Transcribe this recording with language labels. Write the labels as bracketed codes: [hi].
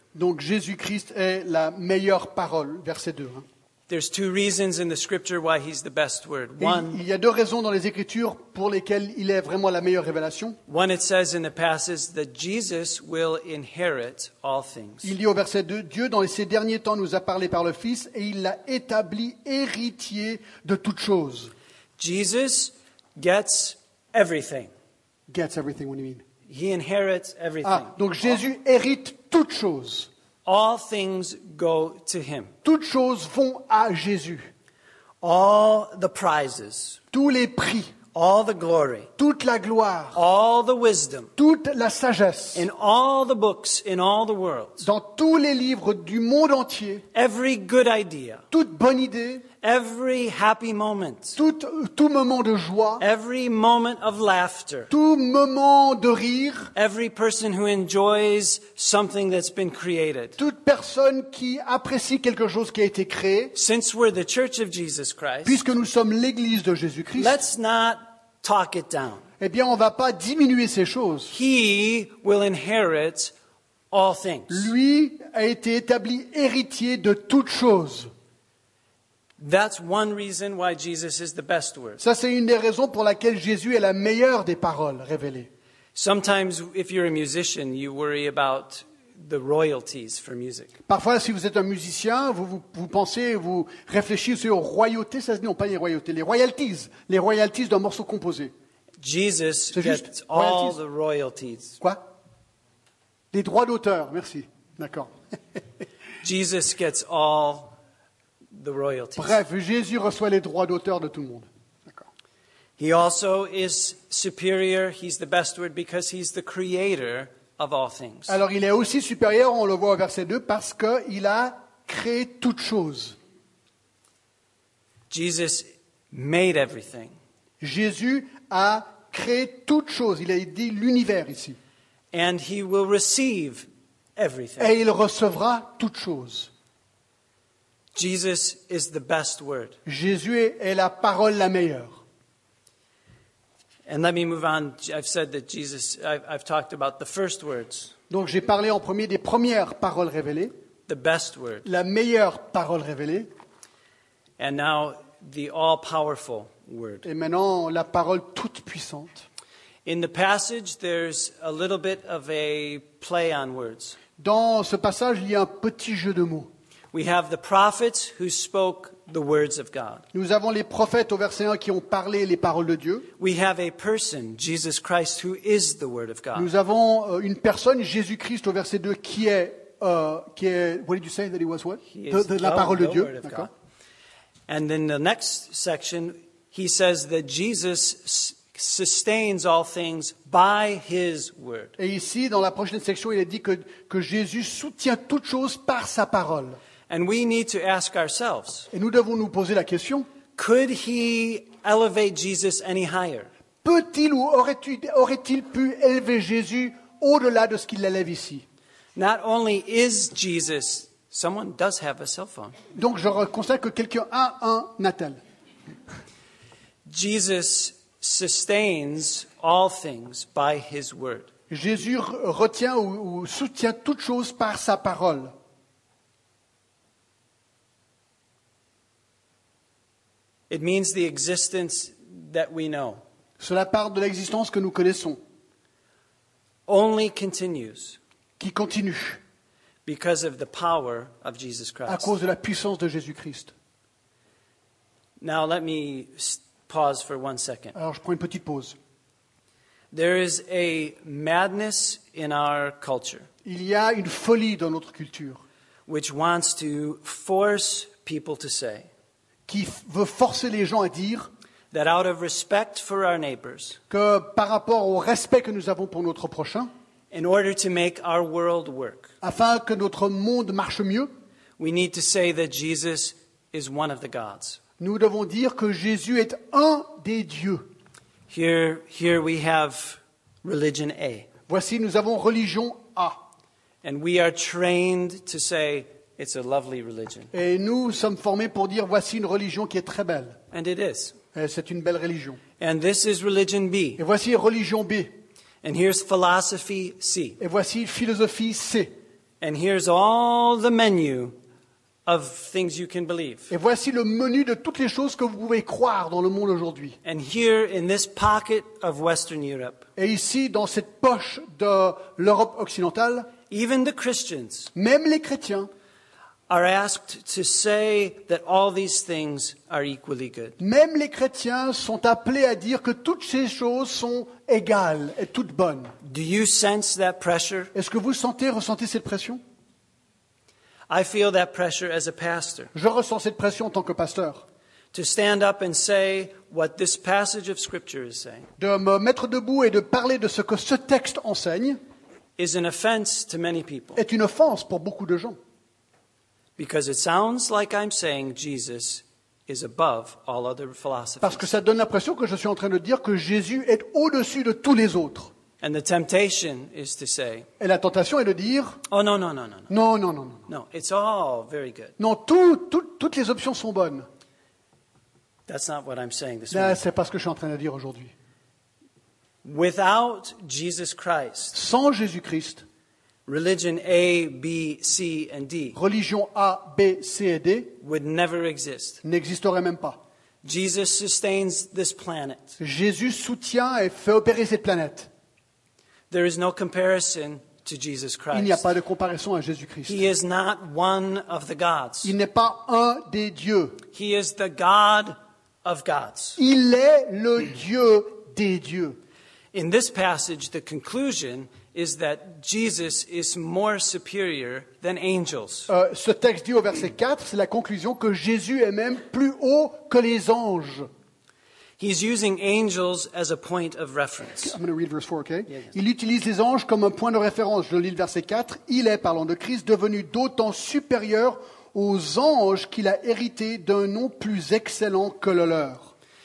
[fr] Donc Jésus-Christ est la meilleure parole, verset 2. Hein. [en] There's two reasons in the scripture why he's the best word. [fr] One, il y a deux raisons dans les écritures pour lesquelles il est vraiment la meilleure révélation. [en] One, it says in the passage that Jesus will inherit all things. [fr] Il dit au verset 2, Dieu dans ces derniers temps nous a parlé par le Fils et il l'a établi héritier de toutes choses. [en] Jesus gets everything. Gets everything, what do you mean? He inherits everything. [fr] Ah, donc Jésus hérite toutes choses. [en] All things go to him. [fr] Toutes choses vont à Jésus. [en] All the prizes. [fr] Tous les prix. [en] All the glory. [fr] Toute la gloire. [en] All the wisdom. [fr] Toute la sagesse. [en] In all the books in all the world. [fr] Dans tous les livres du monde entier. [en] Every good idea. [fr] Toute bonne idée. [en] Every happy moment. [fr] Tout moment de joie. [en] Every moment of laughter. [fr] Tout moment de rire. [en] Every person who enjoys something that's been created. [fr] Toute personne qui apprécie quelque chose qui a été créé. [en] Since we're the church of Jesus Christ. [fr] Puisque nous sommes l'église de Jésus-Christ. [en] Let's not talk it down. [fr] eh bien, on ne va pas diminuer ces choses. [en] He will inherit all things. [fr] Lui a été établi héritier de toutes choses. [en] That's one reason why Jesus is the best word. [fr] Ça, c'est une des raisons pour laquelle Jésus est la meilleure des paroles révélées. [en] Sometimes, if you're a musician, you worry about the royalties for music. [fr] Parfois, si vous êtes un musicien, vous pensez, vous réfléchissez aux royautés. Ça, non, pas les royautés, les royalties d'un morceau composé. [en] Jesus gets all the royalties. [fr] Quoi? Les droits d'auteur. Merci. D'accord. [en] Jesus gets all the royalties. [fr] Bref, Jésus reçoit les droits d'auteur de tout le monde. D'accord. [en] He also is superior. He's the best word because he's the creator of all things. [fr] Alors, il est aussi supérieur, on le voit au verset 2, parce qu'il a créé toutes choses. [en] Jesus made everything. [fr] Jésus a créé toutes choses. Il a dit l'univers ici. [en] And he will receive everything. [fr] Et il recevra toutes choses. [en] Jesus is the best word. [fr] Jésus est la parole la meilleure. [en] And let me move on. I've said that Jesus, I've talked about the first words. [fr] Donc j'ai parlé en premier des premières paroles révélées. [en] The best word. [fr] La meilleure parole révélée. [en] And now the all-powerful word. [fr] Et maintenant la parole toute-puissante. [en] In the passage, there's a little bit of a play on words. [fr] Dans ce passage, il y a un petit jeu de mots. [en] We have the prophets who spoke the words of God. [fr] Nous avons les prophètes au verset 1 qui ont parlé les paroles de Dieu. [en] We have a person, Jesus Christ, who is the word of God. [fr] Nous avons une personne, Jésus-Christ, au verset 2, qui est. [en] What did you say that he was what? He is the word of God. [fr] D'accord. [en] And in the next section, he says that Jesus sustains all things by his word. [fr] Et ici, dans la prochaine section, il est dit que Jésus soutient toutes choses par sa parole. [en] And we need to ask ourselves. [fr] Et nous devons nous poser la question. [en] Could he elevate Jesus any higher? [fr] Peut-il ou aurait-il pu élever Jésus au-delà de ce qu'il l'élève ici? [en] Not only is Jesus, someone does have a cell phone. [fr] Donc je constate que quelqu'un a un attel. [en] Jesus sustains all things by his word. [fr] Jésus retient ou soutient toutes choses par sa parole. [en] It means the existence that we know. [fr] Cela parle de l'existence que nous connaissons. [en] Only continues. [fr] Qui continue. [en] Because of the power of Jesus Christ. [fr] À cause de la puissance de Jésus-Christ. [en] Now let me pause for one second. [fr] Alors je prends une petite pause. [en] There is a madness in our culture. [fr] Il y a une folie dans notre culture. [en] Which wants to force people to say. [fr] Qui veut forcer les gens à dire [en] that out of respect for our neighbors, [fr] que par rapport au respect que nous avons pour notre prochain, [en] in order to make our world work, [fr] afin que notre monde marche mieux, [en] we need to say that Jesus is one of the gods. [fr] Nous devons dire que Jésus est un des dieux. [en] Here we have religion A. [fr] Voici, nous avons religion A. [en] And we are trained to say, it's a lovely religion. [fr] Et nous sommes formés pour dire voici une religion qui est très belle. [en] And it is. [fr] Et c'est une belle religion. [en] And this is religion B. [fr] Et voici religion B. [en] And here's philosophy C. [fr] Et voici philosophie C. [en] And here's all the menu of things you can believe. [fr] Et voici le menu de toutes les choses que vous pouvez croire dans le monde aujourd'hui. [en] And here in this pocket of Western Europe. [fr] Et ici dans cette poche de l'Europe occidentale. [en] Even the Christians. [fr] Même les chrétiens. [en] Are asked to say that all these things are equally good. [fr] Même les chrétiens sont appelés à dire que toutes ces choses sont égales et toutes bonnes. [en] Do you sense that pressure? [fr] Est-ce que vous ressentez cette pression? [en] I feel that pressure as a pastor. [fr] Je ressens cette pression en tant que pasteur. [en] To stand up and say what this passage of scripture is saying. [fr] De me mettre debout et de parler de ce que ce texte enseigne [en] is an offense to many people. [fr] Est une offense pour beaucoup de gens. [en] Because it sounds like I'm saying Jesus is above all other philosophies. [fr] Parce que ça donne l'impression que je suis en train de dire que Jésus est au-dessus de tous les autres. [en] And the temptation is to say. [fr] Et la tentation est de dire. [en] Oh no no no no no. [fr] Non non non non. [en] No, it's all very good. [fr] Non, toutes les options sont bonnes. [en] That's not what I'm saying this morning. [fr] Là, c'est pas ce que je suis en train de dire aujourd'hui. [en] Without Jesus Christ, [fr] sans Jésus-Christ, [en] religion A, B, C, and D, [fr] religion A, B, C et D [en] would never exist. [fr] N'existerait même pas. [en] Jesus sustains this planet. [fr] Jésus soutient et fait opérer cette planète. [en] There is no comparison to Jesus Christ. [fr] Il n'y a pas de comparaison à Jésus-Christ. [en] He is not one of the gods. [fr] Il n'est pas un des dieux. [en] He is the God of gods. [fr] Il est le Dieu des dieux. [en] In this passage, the conclusion is that Jesus is more superior than angels. [fr] Ce texte dit au verset 4, c'est la conclusion que Jésus est même plus haut que les anges. [en] He's using angels as a point of reference. I'm going to read verse 4, okay? [fr] Il utilise les anges comme un point de référence. Je lis le verset 4. Il est, parlant de Christ, devenu d'autant supérieur aux anges qu'il a hérité d'un nom plus excellent que le leur.